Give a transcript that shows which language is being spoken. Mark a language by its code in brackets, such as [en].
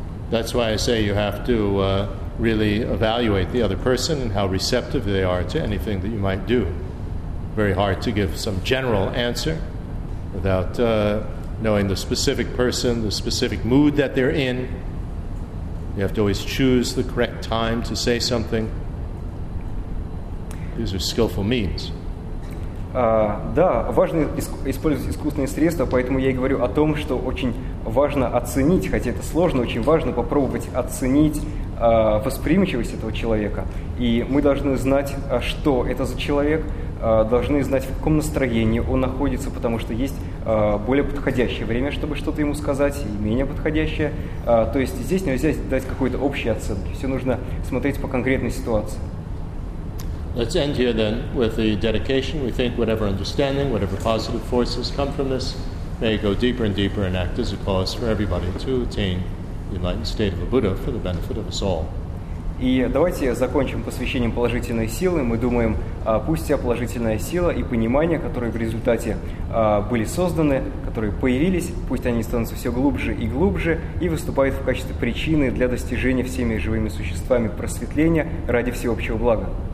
[en] That's why I say you have to really evaluate the other person and how receptive they are to anything that you might do. Very hard to give some general answer without knowing the specific person, the specific mood that they're in. You have to always choose the correct time to say something. These are skillful means. [ru] Да, важно использовать искусственные средства, поэтому я и говорю о том, что очень важно оценить, хотя это сложно, очень важно попробовать оценить восприимчивость этого человека. И мы должны знать, что это за человек, должны знать, в каком настроении он находится, потому что есть более подходящее время, чтобы что-то ему сказать, и менее подходящее. То есть здесь нельзя дать какой-то общей оценки. Все нужно смотреть по конкретной ситуации. [en] Let's end here then with the dedication. We think whatever understanding, whatever positive forces come from this, may go deeper and deeper and act as a cause for everybody to attain the enlightened state of a Buddha for the benefit of us all. [ru] И давайте закончим посвящением положительной силы. Мы думаем, пусть вся положительная сила и понимание, которые в результате были созданы, которые появились, пусть они становятся все глубже и глубже и выступают в качестве причины для достижения всеми живыми существами просветления ради всеобщего блага.